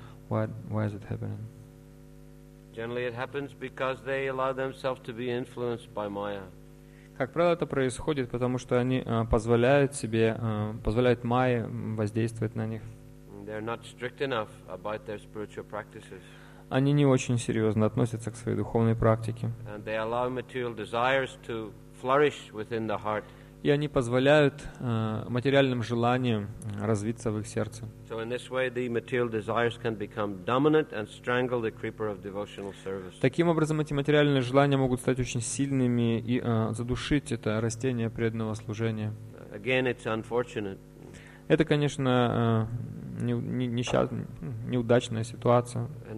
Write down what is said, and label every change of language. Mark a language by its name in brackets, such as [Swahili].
[English] Why is it happening? Generally it happens because they allow themselves to be influenced by Maya. [Russian] Как правило, это происходит, потому что они позволяют Майе воздействовать на них. [English] They're not strict enough about their spiritual practices. [Russian] Они не очень серьезно относятся к своей духовной практике. [English] And they allow material desires to flourish within the heart. [Russian] И они позволяют материальным желаниям развиться в их сердце. [English] So in this way, the material desires can become dominant and strangle the creeper of devotional service. [Russian] Таким образом, эти материальные желания могут стать очень сильными и задушить это растение преданного служения. [English] Again, it's unfortunate. [Russian] Это, конечно, неудачная ситуация.